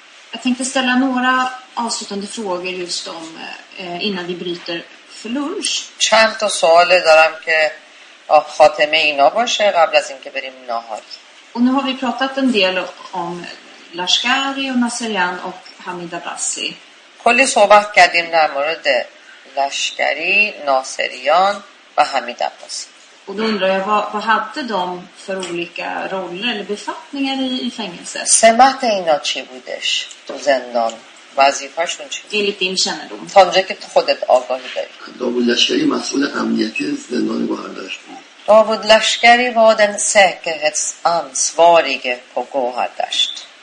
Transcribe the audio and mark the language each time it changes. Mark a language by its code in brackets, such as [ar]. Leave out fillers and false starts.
[sv] Jag tänkte ställa några avslutande frågor just om innan vi bryter för lunch. [fa] چند تا سوال دارم که خاتمه اینا باشه قبل از اینکه بریم ناهار. [sv] Och nu har vi pratat en del om Lashkari och Nasrian och Hamid Abbasi. [fa] کلی صحبت کردیم در مورد Lashkari, Nasrian و Hamid Abbasi. [sv] Och då undrar jag vad hade de för olika roller eller befattningar i fängelset? [fa] سمت اینا چی بودش تو زندان؟ وظیفه‌شون چی؟ دلیل این شنیدم. تا اونجا که خودت آگاهی داری. داوود لشکری مسئول امنیتی زندان گوهر داشت. [sv] داوود لشکری با دن سکرهتس ansvarige på گوهر داشت.